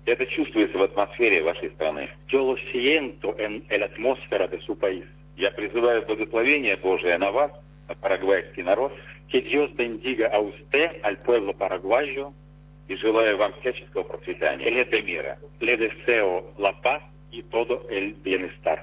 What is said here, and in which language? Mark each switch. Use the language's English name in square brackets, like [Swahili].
[Russian] Это чувствуется в атмосфере вашей страны. [Spanish] Yo lo siento en la atmósfera de su país. [Russian] Я призываю благословение Божие на вас, на парагвайский народ. [Spanish] Que Dios bendiga a usted, al pueblo paraguayo. [Russian] И желаю вам всяческого процветания. Или это мира. [Spanish] Le deseo la paz y todo el bienestar.